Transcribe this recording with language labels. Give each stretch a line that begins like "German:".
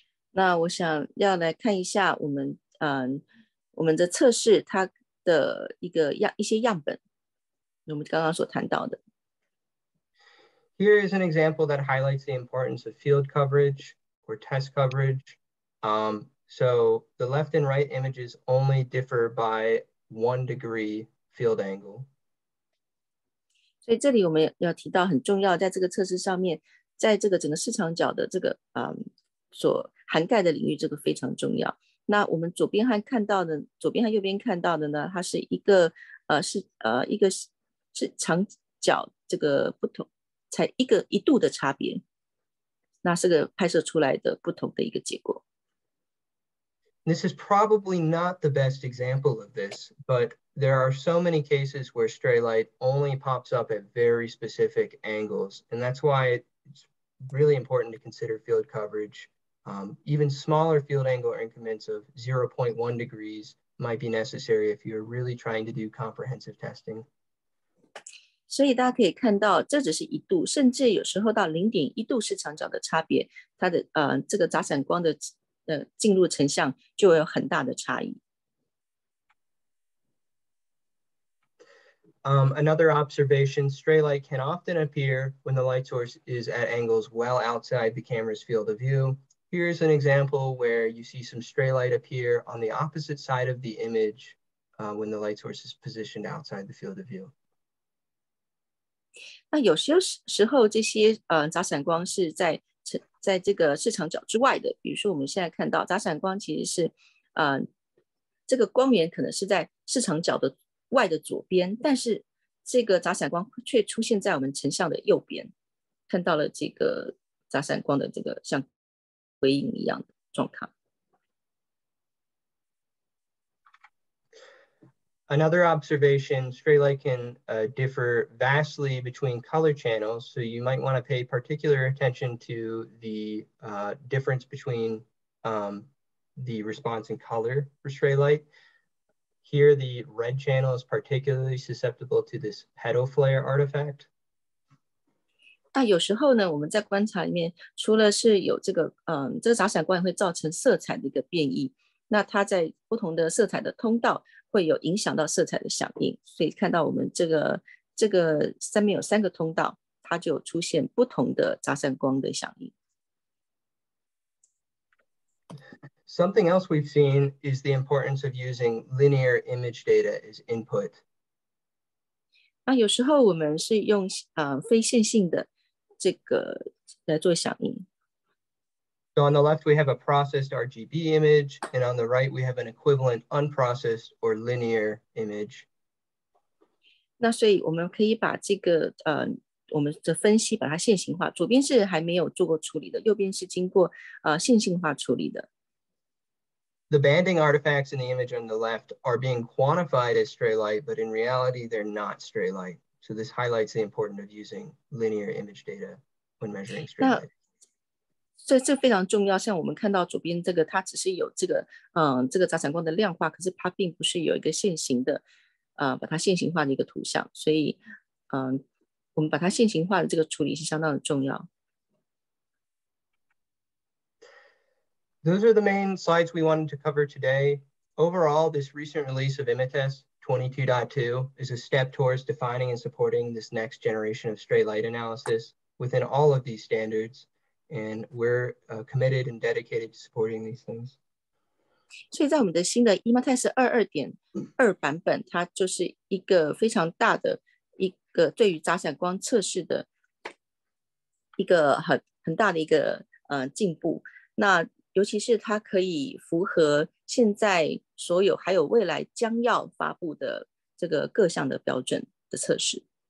Chinese: 那我想要来看一下我们的测试它的一些样本，我们刚刚所谈到的。
English: Here is an example that highlights the importance of field coverage or test coverage. So the left and right images only differ by 1 degree field angle.
Chinese: 所以这里我们要提到很重要，在这个测试上面，在这个整个视场角的这个所涵盖的领域，这个非常重要。那我们左边和看到的，左边和右边看到的呢，它是一个一个视场角这个不同才一度的差别，那是个拍摄出来的不同的一个结果。
English: This is probably not the best example of this, but there are so many cases where stray light only pops up at very specific angles. And that's why it's really important to consider field coverage. Even smaller field angle increments of 0.1 degrees might be necessary if you're really trying to do comprehensive testing.
Chinese: 所以大家可以看到，这只是一度，甚至有时候到0.1度视场角的差别，它的这个杂闪光的进入成像就有很大的差异。
English: Another observation, stray light can often appear when the light source is at angles well outside the camera's field of view. Here's an example where you see some stray light appear on the opposite side of the image, when the light source is positioned outside the field of view.
Chinese: 那有些时候这些杂闪光是在这个市场角之外的，比如说我们现在看到杂闪光其实是这个光源可能是在市场角的外的左边，但是这个杂闪光却出现在我们成像的右边，看到了这个杂闪光的这个像回影一样的状况。
English: Another observation, stray light can differ vastly between color channels, so you might want to pay particular attention to the difference between the response and color for stray light. Here, the red channel is particularly susceptible to this petaflare artifact.
Chinese: 那有时候呢，我们在观察里面，除了是有这个这个杂闪光会造成色彩的一个变异，那它在不同的色彩的通道会有影响到色彩的响应，所以看到我们这个上面有三个通道，它就出现不同的杂闪光的响应。
English: Something else we've seen is the importance of using linear image data as input.
Chinese: 那有时候我们是用非线性的这个来做响应。
English: So on the left, we have a processed RGB image, and on the right, we have an equivalent unprocessed or linear image.
Chinese: 那所以我们可以把这个我们的分析把它线性化，左边是还没有做过处理的，右边是经过线性化处理的。
English: The banding artifacts in the image on the left are being quantified as stray light, but in reality, they're not stray light. So this highlights the importance of using linear image data when measuring stray light.
Chinese: 这非常重要，像我们看到左边这个，它只是有这个这个杂闪光的量化，可是它并不是有一个线形的把它线形化的一个图像，所以我们把它线形化的这个处理是相当的重要。
English: Those are the main slides we wanted to cover today. Overall, this recent release of ImageTest 22.2 is a step towards defining and supporting this next generation of stray light analysis within all of these standards. And we're committed and dedicated to supporting these things.
Chinese: 所以在我们的新的 ImageTest 22.2 版本，它就是一个非常大的一个对于杂闪光测试的一个很大的一个进步。那尤其是它可以符合现在所有还有未来将要发布的这个各项的标准的测试。